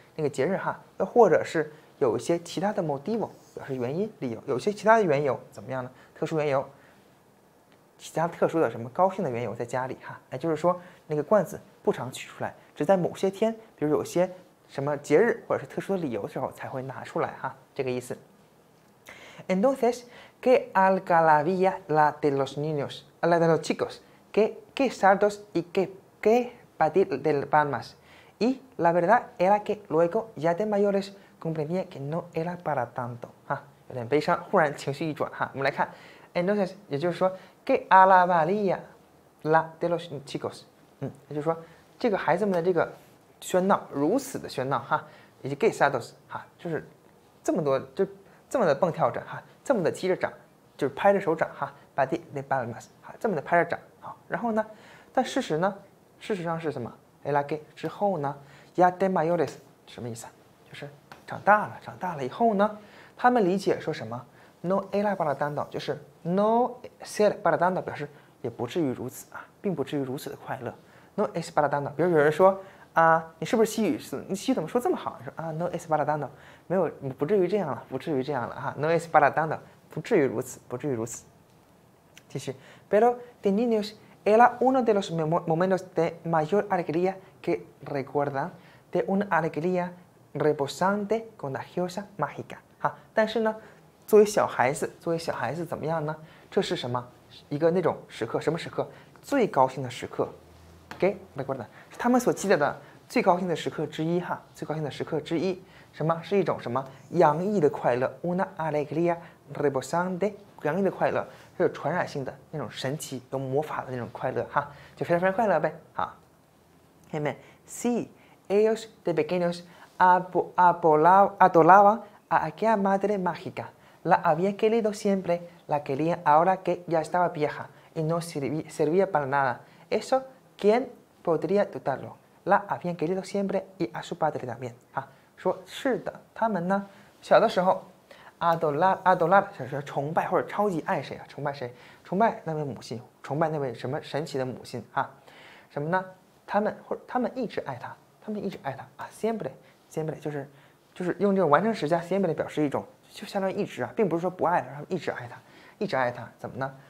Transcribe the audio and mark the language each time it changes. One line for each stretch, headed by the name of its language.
Chinese: 那个节日哈，又或者是有一些其他的 motivo 表示原因理由，有些其他的缘由怎么样呢？特殊缘由，其他特殊的什么高兴的缘由在家里哈，哎，就是说那个罐子不常取出来，只在某些天，比如有些什么节日或者是特殊的理由的时候才会拿出来哈，这个意思。
Spanish: Entonces, ¿qué algarabía la de los niños, la de los chicos? ¿Qué saltos y qué batir de palmas? Y la verdad era que luego ya de mayores comprendía que no era para tanto.
Chinese: 哈，有点悲伤，忽然情绪一转哈，我们来看。
Spanish: Entonces,
Chinese: 也就是说
Spanish: ，¿qué algarabía la de los chicos?
Chinese: 也就是说，这个孩子们的这个喧闹，如此的喧闹哈，以及
Spanish: ¿qué saltos?
Chinese: 哈，就是这么多就。这么的蹦跳着哈，这么的击着掌，就是拍着手掌哈，把地那巴了嘛，哈，这么的拍着掌，好，然后呢，但事实呢，事实上是什么？哎，拉给之后呢，
Spanish: ya de mayores
Chinese: 什么意思？就是长大了，长大了以后呢，他们理解说什么 ？
Spanish: no era para tanto
Chinese: 就是
Spanish: no ser para tanto
Chinese: 表示也不至于如此啊，并不至于如此的快乐。
Spanish: no es para tanto
Chinese: 比如有人说。啊，你是不是西语？你西语怎么说这么好？你说啊 ，
Spanish: no es para tanto，
Chinese: 没有，不至于这样了，不至于这样了哈 ，no es para tanto， 不至于如此，不至于如此。继续
Spanish: ，pero de niños era uno de los momentos de mayor alegría que recuerdan de una alegría rebosante, contagiosa, mágica。
Chinese: 哈，但是呢，作为小孩子，作为小孩子怎么样呢？这是什么？一个那种时刻，什么时刻？最高兴的时刻。给外国的是他们所记得的最高兴的时刻之一哈，最高兴的时刻之一什么是一种什么洋溢的快乐
Spanish: una alegría rebosante
Chinese: 洋溢的快乐，是有传染性的那种神奇有魔法的那种快乐哈，就非常非常快乐呗哈。
Spanish: Hey man, si ellos de pequeños adoraban a aquella madre mágica, la habían querido siempre, la querían ahora que ya estaba vieja y no servía para nada. Eso,¿Quién podría dudarlo? La habían querido siempre y a su padre también.
Chinese: 哈，说是的，他们呢，小的时候 ，adorar 就是崇拜或者超级爱谁啊？崇拜谁？崇拜那位母亲，崇拜那位什么神奇的母亲哈？什么呢？他们一直爱他，他们一直爱他啊 ！Siempre 就是用这个完成时加 siempre 表示一种，就相当于一直啊，并不是说不爱了，他们一直爱他，一直爱他，怎么呢？